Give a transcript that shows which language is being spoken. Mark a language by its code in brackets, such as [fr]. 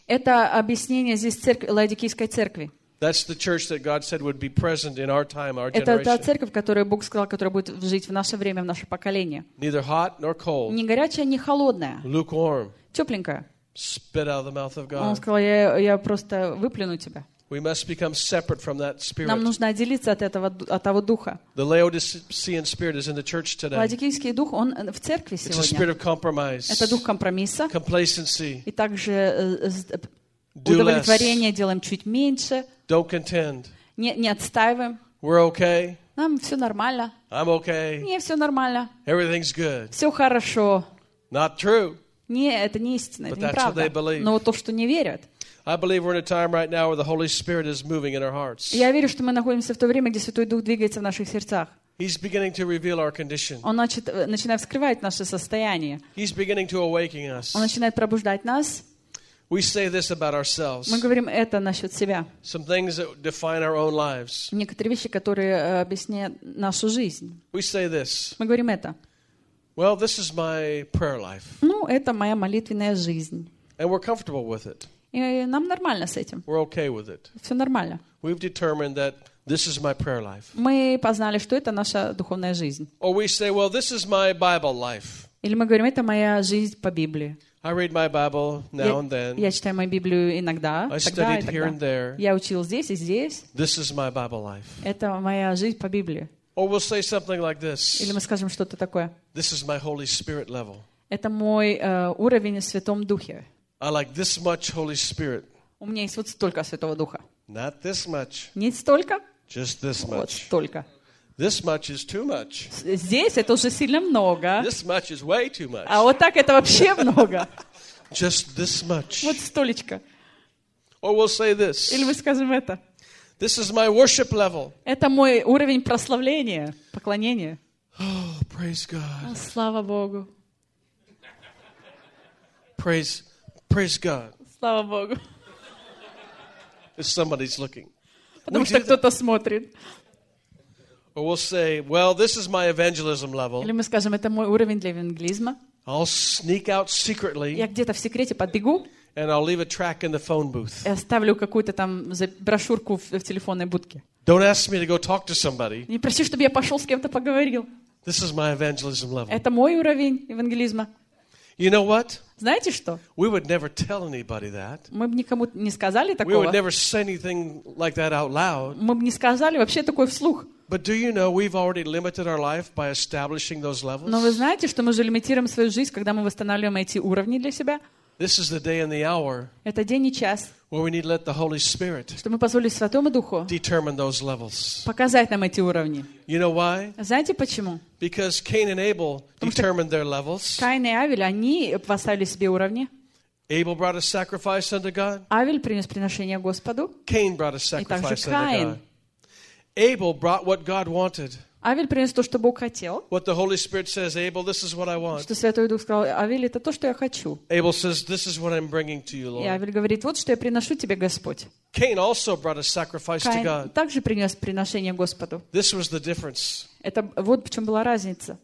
[ru] Это объяснение здесь церкви, Лаодикийской церкви. [en] That's the church that God said would be present in our time, our generation. [ru] Это та церковь, которую Бог сказал, которая будет жить в наше время, в наше поколение. [en] Neither hot nor cold. [ru] Ни горячая, ни холодная. [en] Lukewarm. [ru] Тепленькая. [en] Spit out of the mouth of God. [ru] Он сказал, я просто выплюну тебя. [en] We must become separate from that spirit. [ru] Нам нужно отделиться от этого, от того духа. [en] The Laodicean spirit is in the church today. [ru] Лаодикийский дух, он в церкви сегодня. [en] It's a spirit of compromise. [ru] Это дух компромисса. [en] Complacency. [ru] И также удовлетворение делаем чуть меньше. [en] Don't contend. [ru] Не отстаиваем. [en] We're okay. [ru] Нам все нормально. [en] I'm okay. [ru] Мне все нормально. [en] Everything's good. [ru] Все хорошо. [en] Not true. [ru] Не, это не истина, [en] but [ru] это неправда. [en] That's what they believe. [ru] Но то, что не верят. [en] I believe we're in a time right now where the Holy Spirit is moving in our hearts. [ru] Я верю, что мы находимся в то время, где Святой Дух двигается в наших сердцах. [en] He's beginning to reveal our condition. [ru] Он начинает вскрывать наше состояние. [en] He's beginning to awaken us. [ru] Он начинает пробуждать нас. [en] We say this about ourselves. [ru] Мы говорим это насчет себя. [en] Some things that define our own lives. [ru] Некоторые вещи, которые объясняют нашу жизнь. [en] We say this. [ru] Мы говорим это. [en] Well, this is my prayer life. [ru] Ну, это моя молитвенная жизнь. [en] And we're comfortable with it. [ru] И нам нормально с этим. [en] We're okay with it. [ru] Все нормально. [en] We've determined that this is my prayer life. [ru] Мы познали, что это наша духовная жизнь. [en] Or we say, well, this is my Bible life. [ru] Или мы говорим, это моя жизнь по Библии. [en] I read my Bible now and then. [ru] Я читаю мою Библию иногда. [en] I studied here and there. [ru] Я учил здесь и здесь. [en] This is my Bible life. [ru] Это моя жизнь по Библии. [en] Or we'll say something like this. [ru] Или мы скажем что-то такое. [en] This is my Holy Spirit level. [ru] Это мой уровень в Святом Духе. [en] I like this much Holy Spirit. [ru] У меня есть вот столько Святого Духа. [en] Not this much. [ru] Не столько. [en] Just this much. [ru] Вот столько. [en] This much is too much. [ru] Здесь это уже сильно много. [en] This much is way too much. [ru] А вот так это вообще много. [en] Just this much. [ru] Вот столечко. [en] Or we'll say this. [ru] Или мы скажем это. [en] This is my worship level. [ru] Это мой уровень прославления, поклонения. [en] Oh, praise God. [ru] Слава Богу. [en] Praise God. [ru] Слава Богу. [en] If somebody's looking. [ru] Потому что кто-то смотрит. [en] Or we'll say, well, this is my evangelism level. [ru] Или мы скажем, это мой уровень для евангелизма. [en] I'll sneak out secretly. [ru] Я где-то в секрете подбегу. [en] And I'll leave a track in the phone booth. [ru] И оставлю какую-то там брошюрку в телефонной будке. [en] Don't ask me to go talk to somebody. [ru] Не проси, чтобы я пошел с кем-то поговорил. [en] This is my evangelism level. [ru] Это мой уровень евангелизма. [en] You know what? [ru] Знаете что? [en] We would never tell anybody that. [ru] Мы бы никому не сказали такого. [en] We would never say anything like that out loud. [ru] Мы бы не сказали вообще такое вслух. [en] But do you know we've already limited our life by establishing those levels? [ru] Но вы знаете, что мы же лимитируем свою жизнь, когда мы восстанавливаем эти уровни для себя? [en] This is the day and the hour. [ru] Это день и час. [en] Where we need to let the Holy Spirit. [ru] Что мы позволили Святому Духу. [en] Determine those levels. [ru] Показать нам эти уровни. [en] You know why? [ru] Знаете почему? [en] Because Cain and Abel determined their levels. [ru] Каин и Авель, они поставили себе уровни. [en] Abel brought a sacrifice unto God. [ru] Авель принес приношение Господу. [en] Cain brought a sacrifice unto God. Abel brought what God wanted. [ru] Авель принес то, что Бог хотел. [en] What the Holy Spirit says, Abel, this is what I want. [ru] Что Святой Дух сказал, Авель, это то, что я хочу. [en] Abel says, this is what I'm bringing to you, Lord. [ru] И Авель говорит, вот что я приношу тебе, Господь. [en] Cain also brought a sacrifice [ru] Каин [en] to God. [ru] Также принес приношение Господу. [en] This was the difference. [ru] Это вот в чем была разница.